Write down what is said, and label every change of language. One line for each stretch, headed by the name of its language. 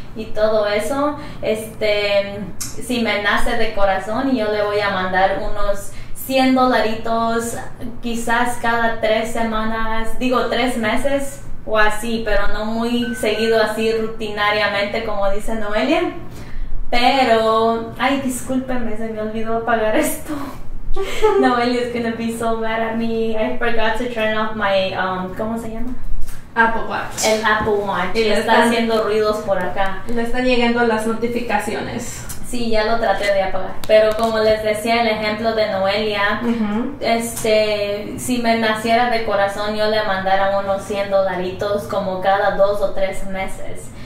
Spanish: Y todo eso, si me nace de corazón y yo le voy a mandar unos $100, quizás cada 3 semanas, 3 meses o así, pero no muy seguido así rutinariamente como dice Noelia. Pero, ay, discúlpenme, se me olvidó apagar esto.
English: Noelia is gonna be so mad at me. I forgot to turn off my,
Spanish: ¿cómo se llama?
English: Apple Watch.
Spanish: El Apple Watch. Y está haciendo ruidos por acá. Le están llegando las notificaciones. Sí, ya lo traté de apagar. Pero como les decía, el ejemplo de Noelia, uh-huh. Si me naciera de corazón, yo le mandara unos $100 como cada 2 o 3 meses.